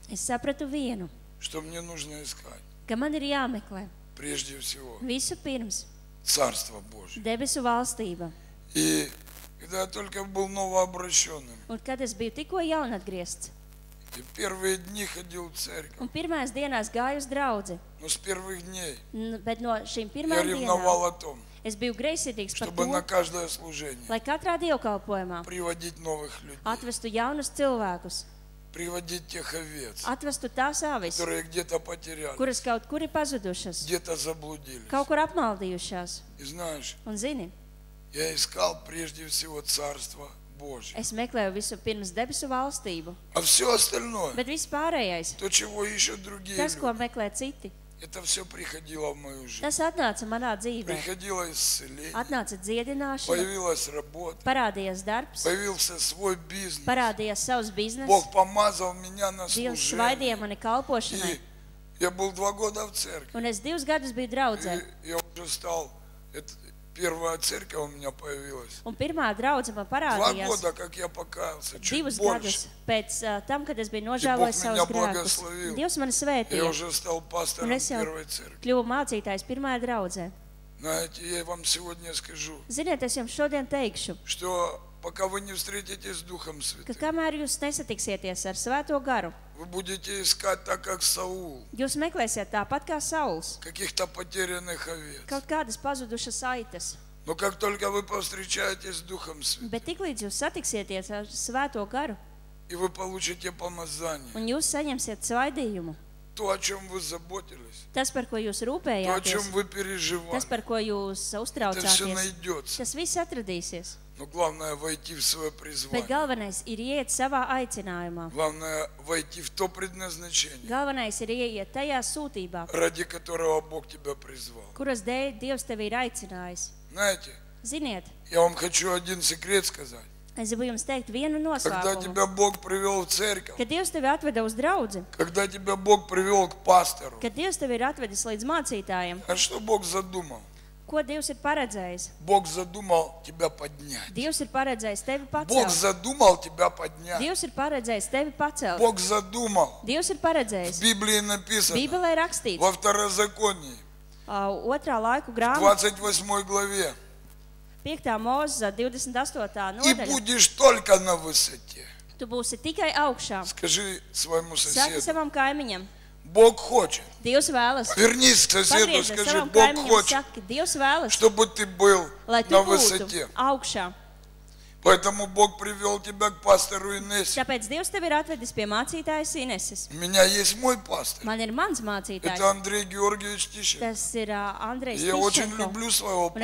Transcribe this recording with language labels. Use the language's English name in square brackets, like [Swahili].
[Latvian] Es sapratu vienu. [Russian] Что мне нужно искать. [Latvian] Ka man ir jāmeklē. [Russian] Прежде всего. [Latvian] Visu pirms. [Russian] Царство Божие. [Latvian] Debesu valstība. [Russian] И когда я только был новообращённым. [Latvian] Un kad es biju tikko jaunatgriezts. [Russian] И первые дни ходил в церковь. [Latvian] Un pirmās dienās gāju uz draudzi. [Russian] Но с первых дней. [Latvian] Bet no šīm pirmām dienām. [Russian] Я ревновал о том. [Latvian] Es biju greizsirdīgs par to. [Russian] Чтобы на каждое служение. [Latvian] Lai katrā dievkalpojumā. [Russian] Приводить новых людей. [Latvian] Atvestu jaunus cilvēkus. [Russian] Приводить тех овец. [Latvian] Atvestu tās avis. [Russian] Которые где-то потерялись. [Latvian] Kuras kaut kur ir pazudušas. [Russian] Где-то заблудились. [Latvian] Kaut kur apmaldījušās. [Russian] И знаешь. [Latvian] Un zini. [Russian] Я искал прежде всего царство Божие. [Latvian] Es meklēju visu pirms debesu valstību. [Russian] А всё остальное. [Latvian] Bet viss pārējais. [Russian] То чего ещё другие. [Latvian] Tas, ko meklē citi. [Russian] Это всё приходило в мою жизнь. [Latvian] Tas atnāca manā dzīvē. [Russian] Приходило исцеление. [Latvian] Atnāca dziedināšana. [Russian] Появилась работа. [Latvian] Parādījās darbs. [Russian] Появился свой бизнес. [Latvian] Parādījās savs bizness. [Russian] Бог помазал меня на служение. [Latvian] Dievs svaidīja mani kalpošanai. [Russian] Я был 2 года в церкви. [Latvian] Un es 2 gadus biju draudzē. [Russian] Я уже стал Первая церковь у меня появилась. [Latvian] Un pirmā draudze man parādījās. [Russian] 2 года, как я покаялся, чуть больше. [Latvian] Pēc tam, kad es biju nožēlojis savus grēkus. Dievs mani svētīja. [Russian] Я уже стал пастором первой церкви. [Latvian] Kļuvu mācītājs pirmajā draudzē. [Russian] Знаете, я вам сегодня скажу. [Latvian] Ziniet, es jums šodien teikšu. [Russian] Что пока вы не встретитесь с Духом Святым. [Latvian] Kad kamēr jūs nesatiksieties ar Svēto Garu. [Russian] Вы будете искать так как Саул. [Latvian] Jūs meklēsiet tāpat kā Sauls. [Russian] Каких-то потерянных овец. [Latvian] Kaut kādas pazudušas saites. [Russian] Но как только вы повстречаетесь с Духом Святым. [Latvian] Bet tiklīdz jūs satiksieties ar Svēto Garu. [Russian] И вы получите помазание. [Latvian] Un jūs saņemsiet svaidījumu. [Russian] То, о чем вы заботились. [Latvian] Tas, par ko jūs rūpējāties. [Russian] То, о чем вы переживали. [Latvian] Tas, par ko jūs uztraucāties. [Russian] Это все найдется. [Latvian] Tas viss atradīsies. [Russian] Но главное войти в свое призвание. [Latvian] Bet galvenais ir ieiet savā aicinājumā. [Russian] Главное войти в то предназначение. [Latvian] Galvenais ir ieiet tajā sūtībā. [Russian] Ради которого Бог тебя призвал. [Latvian] Kuras dēļ Dievs tevi ir aicinājis. [Russian] Знаете? [Latvian] Ziniet? [Russian] Я вам хочу один секрет сказать. [Latvian] Es gribu jums teikt vienu noslēpumu. [Russian] Когда тебя Бог привел в церковь. [Latvian] Kad Dievs tevi atveda uz draudzi. [Russian] Когда тебя Бог привел к пастору. [Latvian] Kad Dievs tevi ir atvedis līdz mācītājiem. [Russian] А что Бог задумал? [Latvian] Ko Dievs ir paredzējis? [Russian] Бог задумал тебя поднять. [Latvian] Dievs ir paredzējis tevi pacelt. [Russian] Бог задумал тебя поднять. [Latvian] Dievs ir paredzējis tevi pacelt. [Russian] Бог задумал. [Latvian] Dievs ir paredzējis. [Russian] В Библии написано. [Latvian] Bībelē rakstīts. [Russian] Во второзаконии. [Latvian] Otrā laiku grāmatā. [Russian] 28. Glavē. [Latvian] 5. Mozes 28. nodaļa. [Russian] И будешь только на высоте. [Latvian] Tu būsi tikai augšā. [Russian] Скажи своему соседу. [Latvian] Saki savam kaimiņam. [Russian] Бог хочет. [Latvian] Dievs vēlas. [Russian] Вернись к соседу, скажи, Бог хочет. [Latvian] Saki, Dievs vēlas. [Russian] Чтобы ты был на высоте. [Latvian] Augšā. [Russian] Поэтому Бог привел тебя к пастору Инесе. [Latvian] Tāpēc Dievs tevi ir atvedis pie mācītājas Ineses. [Russian] У меня есть мой пастор. [Latvian] Man ir mans mācītājs. [Russian] Это Андрей Георгиевич Тищенко. [Latvian] Tas ir Andrejs Tišenko. [Russian] Я очень люблю своего pastora.